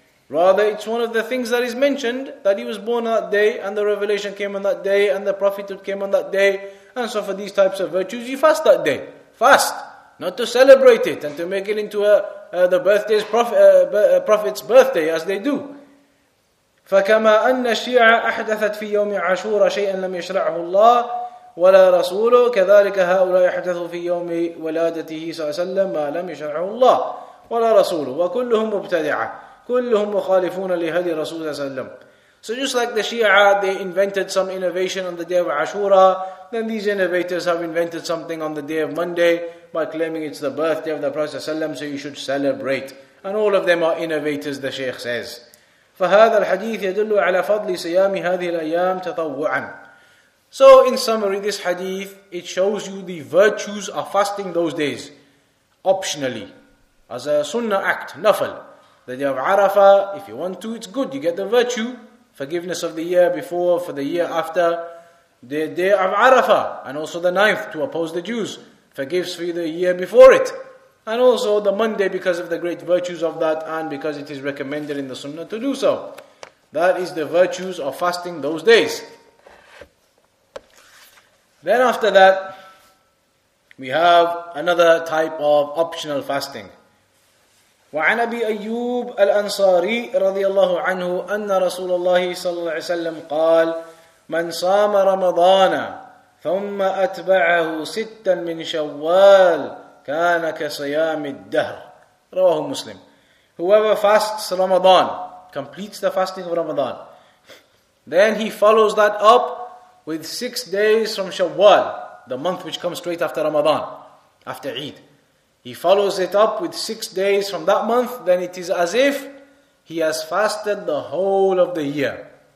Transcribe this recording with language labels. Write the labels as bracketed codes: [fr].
[en] Rather, it's one of the things that is mentioned, that he was born on that day, and the revelation came on that day, and the prophethood came on that day. And so for these types of virtues, you fast that day. Fast. Not to celebrate it, and to make it into the prophet's birthday, as they do. [ar] فَكَمَا أَنَّ الشِّيعَ أَحْدَثَتْ فِي يَوْمِ عَشُورَ شَيْئًا لَمْ يَشْرَعْهُ اللَّهِ ولا رسوله كذلك هؤلاء يحدثوا في يوم ولادته صلى الله عليه وسلم ما لم يشرعه الله ولا رسوله وكلهم مبتدعة كلهم مخالفون لهدي رسول الله صلى الله عليه وسلم. [en] So just like the Shia, they invented some innovation on the day of Ashura, then these innovators have invented something on the day of Monday by claiming it's the birthday of the Prophet صلى الله عليه وسلم, so you should celebrate. And all of them are innovators, the Shaykh says. [ar] فهذا الحديث يدل على فضل صيام هذه الأيام تطوعا. [en] So in summary, this hadith, it shows you the virtues of fasting those days, optionally, as a sunnah act, nafal. The day of Arafah, if you want to, it's good, you get the virtue, forgiveness of the year before, for the year after. The day of Arafah, and also the ninth, to oppose the Jews, forgives for the year before it. And also the Monday, because of the great virtues of that, and because it is recommended in the sunnah to do so. That is the virtues of fasting those days. Then after that, we have another type of optional fasting. [ar] وعن أبي أيوب الأنصاري رضي الله عنه أن رسول الله صلى الله عليه وسلم قال من صام رمضان ثم أتبعه ستا من شوال كان كصيام الدهر. رواه مسلم. [en] Whoever fasts Ramadan, completes the fasting of Ramadan, then he follows that up with 6 days from Shawwal, the month which comes straight after Ramadan, after Eid. He follows it up with 6 days from that month, then it is as if he has fasted the whole of the year.